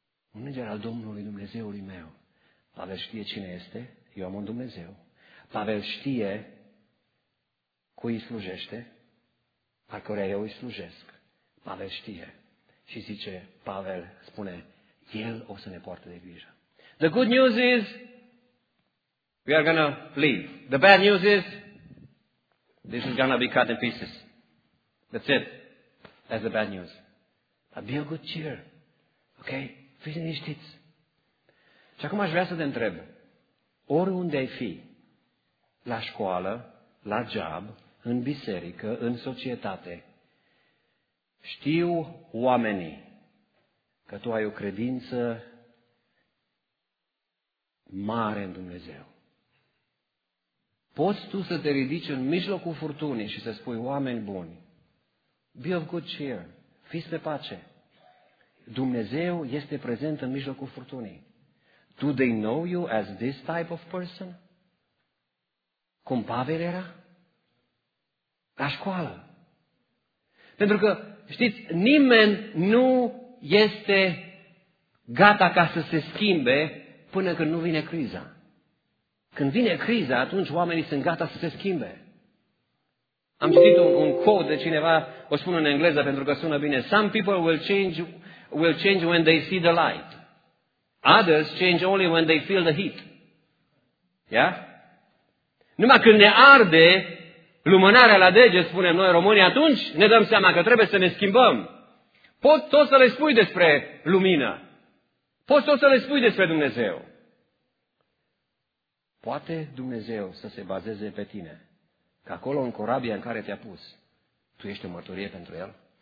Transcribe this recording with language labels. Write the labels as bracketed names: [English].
[Romanian] Un înger al Domnului, Dumnezeului meu. Pavel știe cine este, eu am un Dumnezeu. Pavel știe cui îi slujește, al căreia eu îi slujesc. Pavel știe. Și zice, Pavel spune, el o să ne poartă de grijă. [English] The good news is, We are going to leave. The bad news is, this is going to be cut in pieces. That's it. That's the bad news. But be a good cheer. Okay? [Romanian] Fiți liniștiți. Și acum aș vrea să te întreb. Oriunde ai fi, la școală, la job, în biserică, în societate, știu oamenii că tu ai o credință mare în Dumnezeu. Poți tu să te ridici în mijlocul furtunii și să spui, oameni buni, [English] be of good cheer, [Romanian] fiți pe pace. Dumnezeu este prezent în mijlocul furtunii. [English] Do they know you as this type of person? [Romanian] Cum Pavel era? La școală. Pentru că, știți, nimeni nu este gata ca să se schimbe până când nu vine criza. Când vine criza, atunci oamenii sunt gata să se schimbe. Am citit un quote de cineva, o spun în engleză pentru că sună bine. [English] Some people will change when they see the light. Others change only when they feel the heat. Yeah? [Romanian] Numai când ne arde lumânarea la dege, spunem noi românii, atunci ne dăm seama că trebuie să ne schimbăm. Poți tot să le spui despre lumină. Poți tot să le spui despre Dumnezeu. Poate Dumnezeu să se bazeze pe tine, că acolo în corabia în care te-a pus, tu ești o mărturie pentru El?